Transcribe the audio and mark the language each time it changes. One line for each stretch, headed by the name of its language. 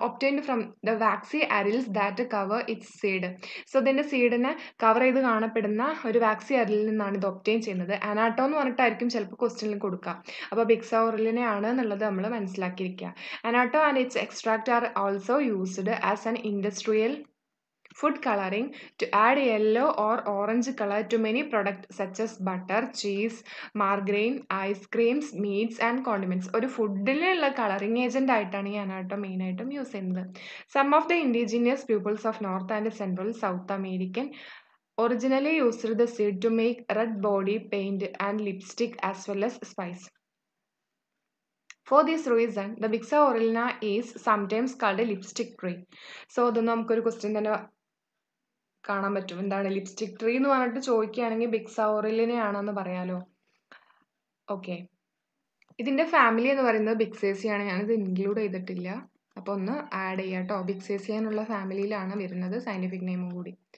English: Obtained from the waxy arils that cover its seed.
Malayalam: So ഇതിൻ്റെ സീഡിനെ cover ചെയ്ത് കാണപ്പെടുന്ന ഒരു വാക്സി അരിലിൽ നിന്നാണ് ഇത് ഒബ്റ്റെയിൻ ചെയ്യുന്നത്. അനാട്ടോ എന്ന് പറഞ്ഞിട്ടായിരിക്കും ചിലപ്പോൾ ക്വസ്റ്റ്യനിൽ കൊടുക്കുക. അപ്പോൾ ബിക്സോറലിനെ ആണ് എന്നുള്ളത് നമ്മൾ മനസ്സിലാക്കിയിരിക്കുക.
English: Annatto and its extract are also used as an industrial Food coloring to add a yellow or orange color to many products such as butter, cheese, margarine, ice creams, meats, and condiments. Or food coloring agent use. Some of the indigenous peoples of North and Central South American originally used the seed to make red body paint and lipstick as well as spice. For this reason, the Vixa aurelina is sometimes called a lipstick tree. So, the question
Malayalam: കാണാൻ പറ്റും എന്താണ് lipstick tree എന്ന് പറഞ്ഞിട്ട് ചോദിക്കുകയാണെങ്കിൽ ബിക്സോറിലിനെയാണെന്ന് പറയാലോ. Okay, ഇതിൻ്റെ family എന്ന് പറയുന്നത് ബിക്സേസിയാണ്. ഞാനിത് ഇൻക്ലൂഡ് ചെയ്തിട്ടില്ല, അപ്പോൾ ഒന്ന് ആഡ് ചെയ്യാം കേട്ടോ. ബിക്സേസിയെന്നുള്ള ഫാമിലിയിലാണ് വരുന്നത്, സയൻറ്റിഫിക് നെയിമും കൂടി.